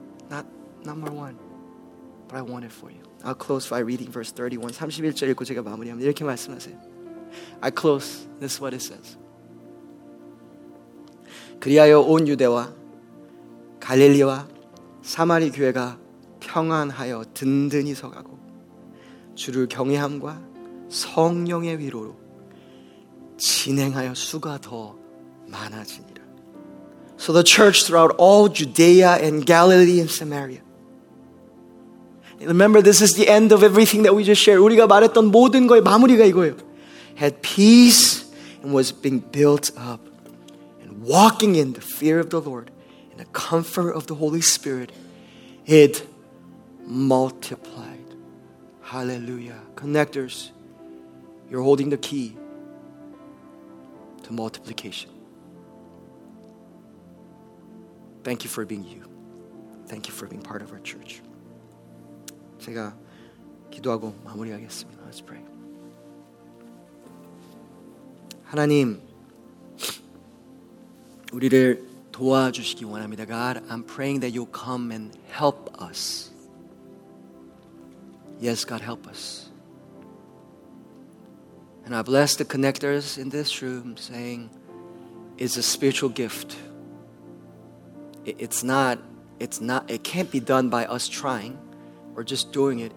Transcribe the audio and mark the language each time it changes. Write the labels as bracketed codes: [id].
[en] Not number one, but I want it for you. I'll close by reading verse 31. [ko] 31절 읽고 제가 마무리합니다. 이렇게 말씀하세요. [en] I close. This is what it says. [ko] 그리하여 온 유대와 갈릴리와 사마리 교회가 평안하여 든든히 서가고 주를 경외함과 성령의 위로로 진행하여 수가 더 많아지니라. [en] So the church throughout all Judea and Galilee and Samaria. Remember, this is the end of everything that we just shared. [ko] 우리가 말했던 모든 거의 마무리가 이거예요. [en] Had peace and was being built up and walking in the fear of the Lord and the comfort of the Holy Spirit, it multiplied. Hallelujah. Connectors, you're holding the key to multiplication. Thank you for being you. Thank you for being part of our church. [ko] 제가 기도하고 마무리하겠습니다. [en] Let's pray. [ko] 하나님, 우리를 도와주시기 원합니다. [en] God, I'm praying that you'll come and help us. Yes, God, help us. And I bless the connectors in this room saying, it's a spiritual gift. It's not, it can't be done by us trying or just doing it.